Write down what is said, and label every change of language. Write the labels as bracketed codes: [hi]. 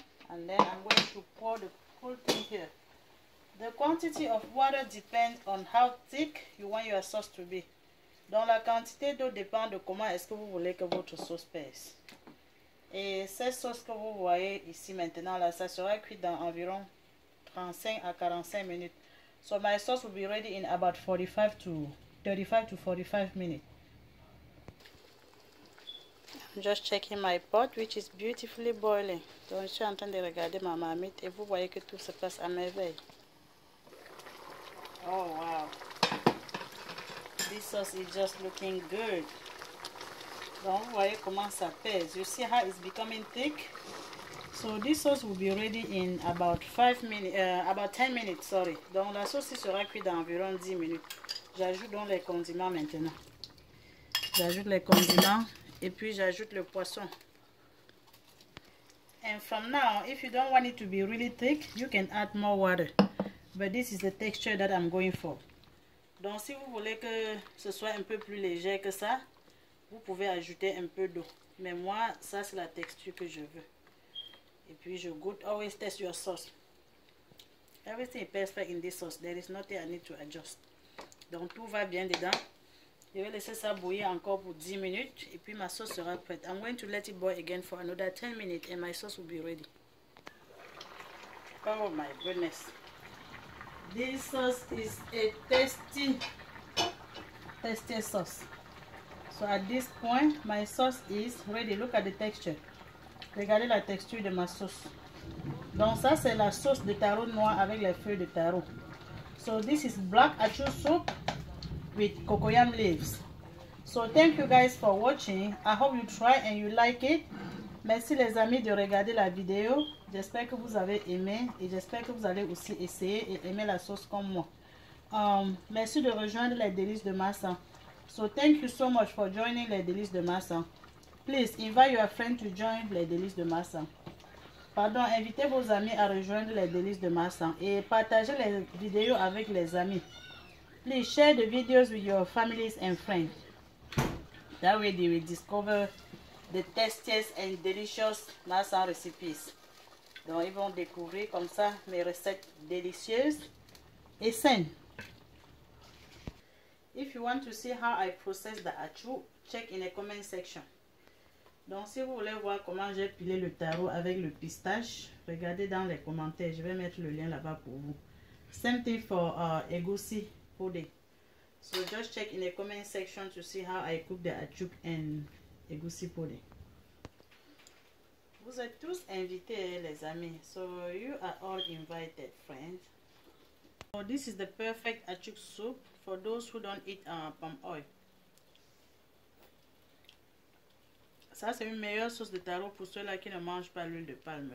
[en] And then I'm going to pour the whole thing here. The quantity of water depends on how thick you want your sauce to be. [fr] Donc la quantité d'eau dépend de comment est-ce que vous voulez que votre sauce pèse. Et cette sauce que vous voyez ici maintenant, là, ça sera cuit dans environ 35 à 45 minutes. [en] So my sauce will be ready in about 35 to 45 minutes. Just checking my pot, which is beautifully boiling. [fr] Donc, je suis en train de regarder ma marmite et vous voyez que tout se passe à merveille. [en] Oh, wow. This sauce is just looking good. [fr] Donc, vous voyez comment ça pèse. [en] You see how it's becoming thick? So, this sauce will be ready in about 10 minutes. Sorry. [fr] Donc, la sauce sera cuite dans environ 10 minutes. J'ajoute donc les condiments maintenant. J'ajoute les condiments. Et puis j'ajoute le poisson. [en] And from now, if you don't want it to be really thick, you can add more water. But this is the texture that I'm going for. [fr] Donc si vous voulez que ce soit un peu plus léger que ça, vous pouvez ajouter un peu d'eau. Mais moi, ça c'est la texture que je veux. Et puis je goûte. [en] Always test your sauce. Everything is perfect in this sauce. There is nothing I need to adjust. [fr] Donc tout va bien dedans. Je vais laisser ça bouillir encore pour 10 minutes et puis ma sauce sera prête. [en] I'm going to let it boil again for another 10 minutes and my sauce will be ready. Oh my goodness. This sauce is a tasty sauce. So at this point, my sauce is ready. Look at the texture. [fr] Regardez la texture de ma sauce. Donc ça c'est la sauce de taro noir avec les feuilles de taro. [en] So this is black achu soup with cocoyam leaves. So thank you guys for watching. I hope you try and you like it. [fr] Merci les amis de regarder la vidéo. J'espère que vous avez aimé et j'espère que vous allez aussi essayer et aimer la sauce comme moi. Merci de rejoindre les délices de Massa. [en] So thank you so much for joining [fr] les délices de Massa. [en] Please invite your friend to join [fr] les délices de Massa. Pardon, invitez vos amis à rejoindre les délices de Massa et partagez les vidéos avec les amis. [en] Please share the videos with your families and friends. That way they will discover the tastiest and delicious Massa recipes. [fr] Donc ils vont découvrir comme ça mes recettes délicieuses et saines. [en] If you want to see how I process the achou, check in the comment section. [fr] Donc si vous voulez voir comment j'ai pilé le taro avec le pistache, regardez dans les commentaires, je vais mettre le lien là-bas pour vous. [en] Same thing for egusi pudding. So just check in the comment section to see how I cook the achou and egusi pudding. [fr] Vous êtes tous invités les amis. [en] So you are all invited, friends. So this is the perfect achou soup for those who don't eat palm oil. [fr] Ça c'est une meilleure sauce de taro pour ceux-là qui ne mangent pas l'huile de palme.